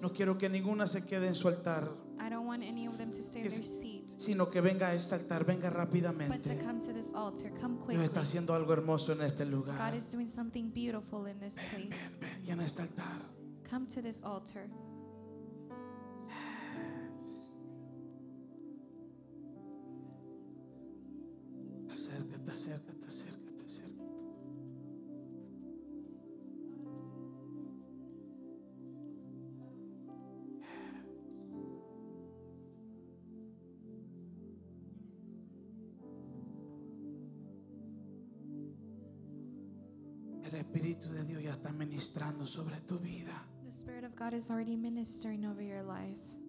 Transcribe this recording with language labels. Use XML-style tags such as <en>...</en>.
<es>no quiero que ninguna se quede en su altar,</es> <en>I don't want any of them to stay in their seat,</en> <es>sino que venga a este altar, venga rápidamente.</es> <en>But to come to this altar, come quickly.</en> <es>Dios está haciendo algo hermoso en este lugar.</es> <en>God is doing something beautiful in this place.</en> <es>Ven, ven, ven, y en este altar.</es> <en>Come to this altar.</en> <es>Acércate, acércate, acércate, acércate. El Espíritu de Dios ya está ministrando sobre tu vida.</es> <en>The Spirit of God is already ministering over your life.</en>